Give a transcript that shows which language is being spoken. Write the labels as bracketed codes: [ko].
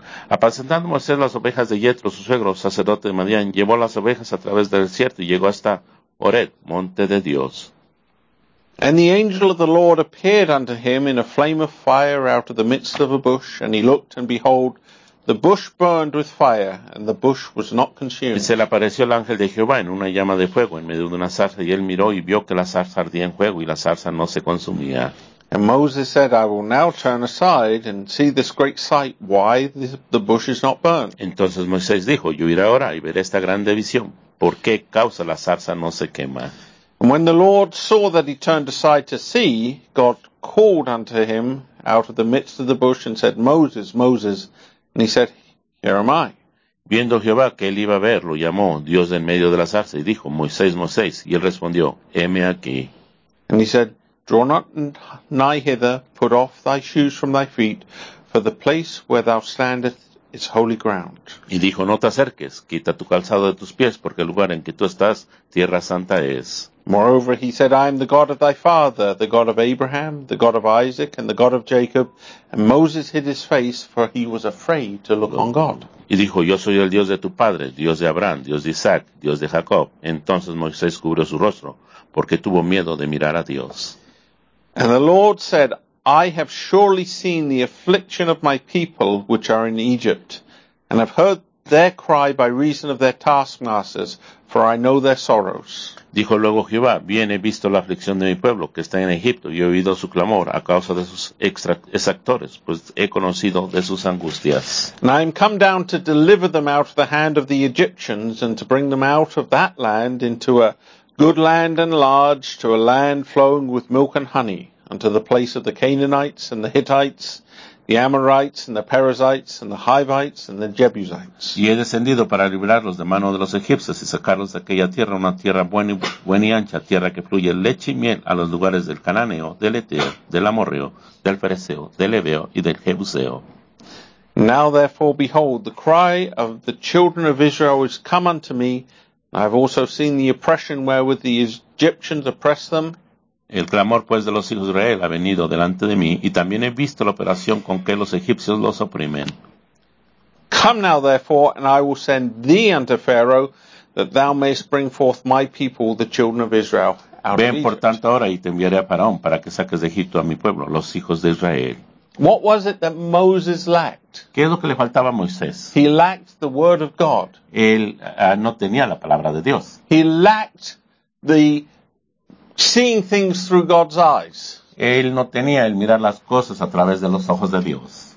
[es] Apacentando Moisés las ovejas de Jethro, su suegro, sacerdote de Madián, llevó las ovejas a través del desierto y llegó hasta Horeb, monte de Dios. [en] And the angel of the Lord appeared unto him in a flame of fire out of the midst of a bush, and he looked, and behold, the bush burned with fire, and the bush was not consumed. [es] Y se le apareció el ángel de Jehová en una llama de fuego en medio de una zarza, y él miró y vio que la zarza ardía en fuego y la zarza no se consumía. [en] And Moses said, I will now turn aside and see this great sight, why the bush is not burnt. [es] Entonces Moisés dijo, yo iré ahora y veré esta grande visión. ¿Por qué causa la zarza no se quema? [en] And when the Lord saw that he turned aside to see, God called unto him out of the midst of the bush and said, Moses, Moses. And he said, here am I. [es] Viendo Jehová que él iba a ver, lo llamó Dios en medio de la zarza y dijo, Moisés, Moisés. Y él respondió, heme aquí. [en] And he said, draw not nigh hither, put off thy shoes from thy feet, for the place where thou standest is holy ground. [es] Y dijo, no te acerques, quita tu calzado de tus pies, porque el lugar en que tú estás, tierra santa es. [en] Moreover, he said, I am the God of thy father, the God of Abraham, the God of Isaac, and the God of Jacob. And Moses hid his face, for he was afraid to look on God. [es] Y dijo, yo soy el Dios de tu padre, Dios de Abraham, Dios de Isaac, Dios de Jacob. Entonces Moisés cubrió su rostro, porque tuvo miedo de mirar a Dios. [en] And the Lord said, I have surely seen the affliction of my people which are in Egypt, and have heard their cry by reason of their taskmasters, for I know their sorrows. [es] Dijo luego Jehová, bien he visto la aflicción de mi pueblo que está en Egipto, y he oído su clamor a causa de sus exactores, pues he conocido de sus angustias. [en] And I am come down to deliver them out of the hand of the Egyptians, and to bring them out of that land into a good land and large, to a land flowing with milk and honey, unto the place of the Canaanites and the Hittites, the Amorites and the Perizzites and the Hivites and the Jebusites. [es] Y he descendido para librarlos de mano de los egipcios y sacarlos de aquella tierra, una tierra buena y ancha, tierra que fluye leche y miel, a los lugares del Cananeo, del Eteo, del Amorreo, del Fereceo, del Eveo y del Jebuseo. [en] Now therefore, behold, the cry of the children of Israel is come unto me. I have also seen the oppression wherewith the Egyptians oppress them. [es] El clamor pues de los hijos de Israel ha venido delante de mí, y también he visto la operación con que los egipcios los oprimen. [en] Come now therefore, and I will send thee unto Pharaoh, that thou mayest bring forth my people, the children of Israel, out of Egypt. [es] Ven por tanto ahora, y te enviaré a Faraón, para que saques de Egipto a mi pueblo, los hijos de Israel. [en] What was it that Moses lacked? [es] ¿Qué es lo que le faltaba a Moisés? [en] He lacked the word of God. [es] Él no tenía la palabra de Dios. [en] He lacked the seeing things through God's eyes. [es] Él no tenía el mirar las cosas a través de los ojos de Dios.